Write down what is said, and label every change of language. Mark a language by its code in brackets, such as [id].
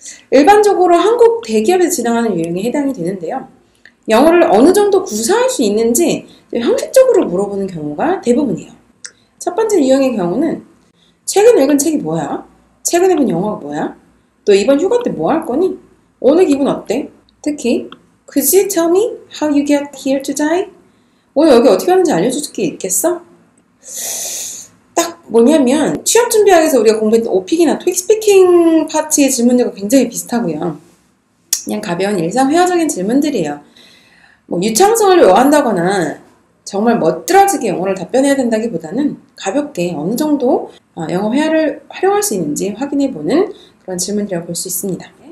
[ko] 일반적으로 한국 대기업에서 진행하는 유형에 해당이 되는데요. 영어를 어느 정도 구사할 수 있는지 형식적으로 물어보는 경우가 대부분이에요. 첫 번째 유형의 경우는 최근 읽은 책이 뭐야? 최근에 본 영화가 뭐야? 또 이번 휴가 때 뭐 할 거니? 오늘 기분 어때? [en] 특히 Could you tell me how you get here today? [ko] 오늘 여기 어떻게 왔는지 알려줄 수 있겠어? 딱 뭐냐면 취업 준비하기 위해서 우리가 공부했던 오픽이나 토익 스피킹 파트의 질문들과 굉장히 비슷하고요. 그냥 가벼운 일상 회화적인 질문들이에요. 뭐 유창성을 요한다거나 정말 멋들어지게 영어를 답변해야 된다기보다는 가볍게 어느 정도 영어 회화를 활용할 수 있는지 확인해보는 그런 질문이라고 볼 수 있습니다.